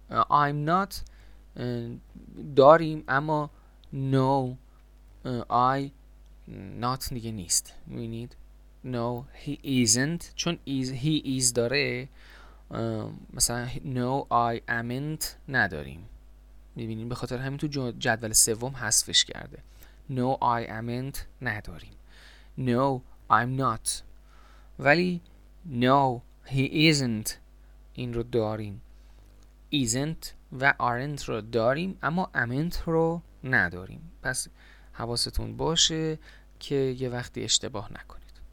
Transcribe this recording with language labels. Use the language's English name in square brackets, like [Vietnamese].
[English] I'm not [Persian] داریم، اما [English] no I not [Persian] دیگه نیست. [English] می‌بینید؟ No, he isn't. چون he is [Persian] داره، مثلا [English] no I amn't نداریم. [Persian] می‌بینید؟ به خاطر همین تو جدول سوم حذفش کرده. [English] No I amn't نداریم. No I'm not. [Persian] ولی [English] no he isn't [Persian] این رو داریم. Isn't و aren't رو داریم، اما amn't رو نداریم. پس حواستون باشه که یه وقتی اشتباه نکنید.